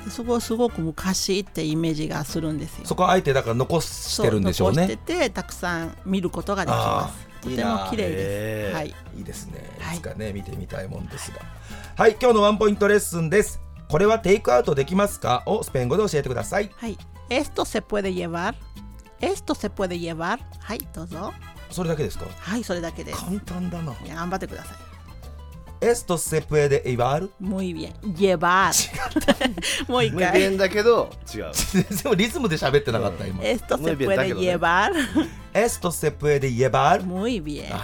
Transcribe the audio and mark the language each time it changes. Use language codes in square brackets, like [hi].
[ja] そこすごく昔ってイメージがするんですよ。そこあえてだから残してるんでしょうね。残しててたくさん見ることができます。とても綺麗です、はい、いいですね。いつかね見てみたいもんですが、はい、今日のワンポイントレッスンです。これはテイクアウトできますかをスペイン語で教えてください。はい、 [es] esto se puede llevar、 esto se puede llevar、 [ja] はい、どうぞ。それだけですか。はい、それだけです。簡単だな。いや、頑張ってください。 [es] Esto se puede llevar? Muy bien. Llevar. [ja] 違った。もう一回。 [es] Muy bien [ja] だけど違う。でもリズムで喋ってなかった、うん、今。 [es] Esto se puede llevar? Esto se puede llevar? Muy bien.